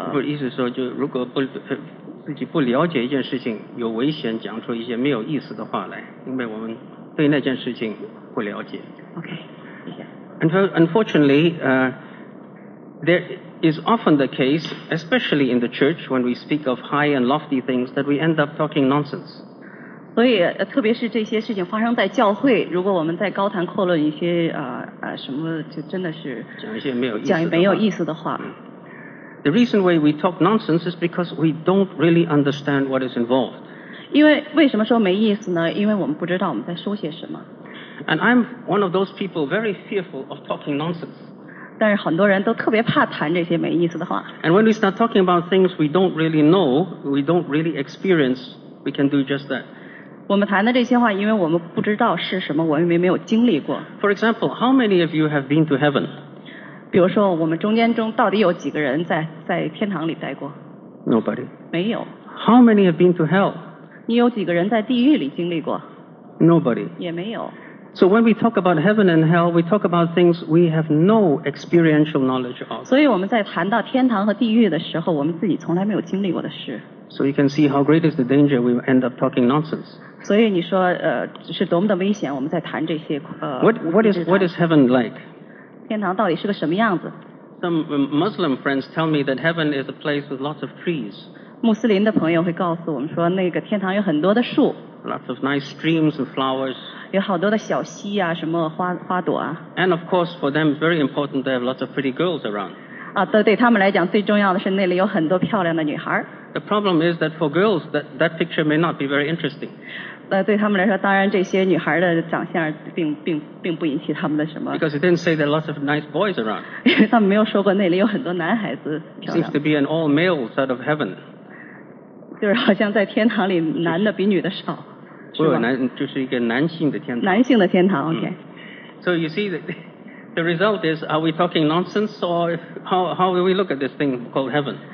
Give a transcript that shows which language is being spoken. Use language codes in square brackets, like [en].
[zh] 不意思说就如果不自己不了解一件事情有危险讲出一些没有意思的话来因为我们对那件事情不了解。 [en] Okay. And so, unfortunately, there is often the case, especially in the church, when we speak of high and lofty things, that we end up talking nonsense. [zh] 所以特别是这些事情发生在教会如果我们在高谈阔论一些什么就真的是讲一些没有意思的话。 [en] The reason why we talk nonsense is because we don't really understand what is involved. [zh] 因为为什么说没意思呢因为我们不知道我们在说些什么。 [en] And I'm one of those people very fearful of talking nonsense. [zh] 但是很多人都特别怕谈这些没意思的话。 [en] And when we start talking about things we don't really know, we don't really experience, we can do just that. [zh] 我们谈的这些话因为我们不知道是什么我们没有经历过。 [en] For example, how many of you have been to heaven? [zh] 比如说我们中间中到底有几个人在天堂里待过 [en] ?Nobody. [zh] 没有。 [en] How many have been to hell? [zh] 你有几个人在地狱里经历过 [en] ?Nobody. [zh] 也没有。 [en] So when we talk about heaven and hell, we talk about things we have no experiential knowledge of. [zh] 所以我们在谈到天堂和地狱的时候，我们自己从来没有经历过的事。 [en] So you can see how great is the danger we end up talking nonsense. [zh] 所以你说是多么的危险，我们在谈这些 [en] What is heaven like? [zh] 天堂到底是个什么样子？ [en] Some Muslim friends tell me that heaven is a place with lots of trees. [zh] 穆斯林的朋友会告诉我们说，那个天堂有很多的树。 [en] Lots of nice streams and flowers. [zh] 有好多的小溪啊，什么花朵啊。 [en] And of course, for them, very important, they have lots of pretty girls around. [zh] 啊，对他们来讲，最重要的是那里有很多漂亮的女孩。 [en] The problem is that for girls, that picture may not be very interesting. [zh] 对他们来说，当然这些女孩的长相并不引起他们的什么。 [en] Because it didn't say there are lots of nice boys around. [zh] 因为他们没有说过那里有很多男孩子漂亮。 [en] Seems to be an all male side of heaven. [zh] 就是好像在天堂里男的比女的少不有男就是一个男性的天堂男性的天堂 OK [en] So you see the result is are we talking nonsense or how do we look at this thing called heaven